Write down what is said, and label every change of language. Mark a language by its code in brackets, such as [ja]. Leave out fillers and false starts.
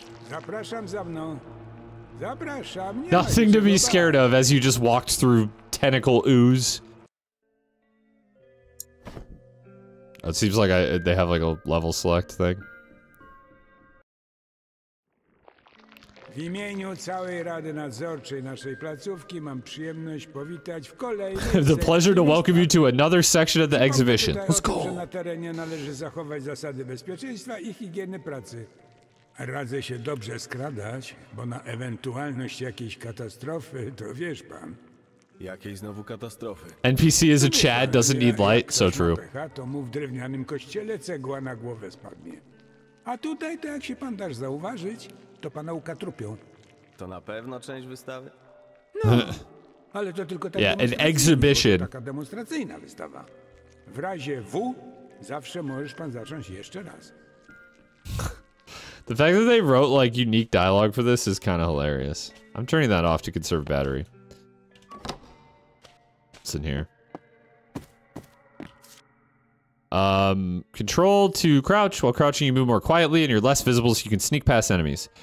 [pl] Zapraszam za mną. Zapraszam. [en] Nothing to be scared of as you just walked through tentacle ooze. It seems like they have like a level select thing. [pl] W imieniu całej Rady Nadzorczej naszej placówki mam przyjemność powitać w kolejnej... [en] The pleasure to welcome you to another section of the exhibition. Let's go! [pl] ...że na terenie należy zachować zasady bezpieczeństwa i higieny pracy. Radzę się dobrze skradać, bo na ewentualność jakiejś katastrofy, to wiesz pan... Jakiej znowu katastrofy? [en] NPC is a Chad, doesn't need light, so true. [pl] ...jak ktoś ma pecha, to mu w drewnianym kościele cegła na głowę spadnie. A tutaj to jak się pan dasz zauważyć... To pana ukatrupią. To na pewno część wystawy? No, ale to tylko taka, [en] yeah, an exhibition. [pl] Taka demonstracyjna wystawa. W razie W zawsze możesz pan zacząć jeszcze raz. [en] The fact that they wrote like unique dialogue for this is kind of hilarious. I'm turning that off to conserve battery. What's in here? Control to crouch. While crouching, you move more quietly and you're less visible, so you can sneak past enemies.